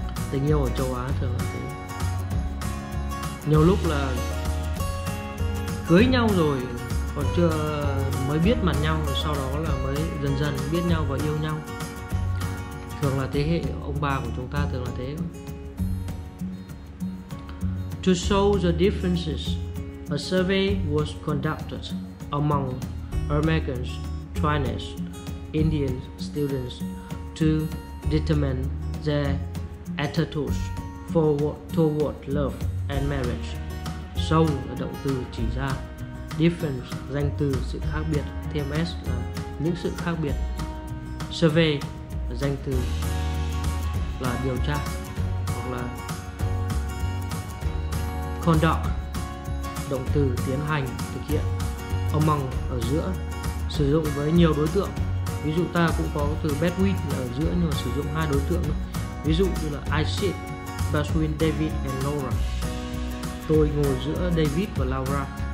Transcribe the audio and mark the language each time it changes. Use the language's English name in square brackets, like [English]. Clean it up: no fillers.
[Vietnamese] Tình yêu ở châu Á thường là thế. Nhiều lúc là cưới nhau rồi còn chưa mới biết mặt nhau, rồi sau đó là mới dần dần biết nhau và yêu nhau. Thường là thế hệ ông bà của chúng ta thường là thế. [English] To show the differences, a survey was conducted among Americans, Chinese, Indian students to determine their attitudes forward toward love and marriage. [Vietnamese] Show là động từ chỉ ra, difference danh từ sự khác biệt, thêm s là những sự khác biệt, survey là danh từ là điều tra, hoặc là conduct động từ tiến hành thực hiện, among ở giữa sử dụng với nhiều đối tượng, ví dụ ta cũng có từ between là ở giữa nhưng mà sử dụng hai đối tượng, ví dụ như là [English] I sit between David and Laura, [Vietnamese] tôi ngồi giữa David và Laura.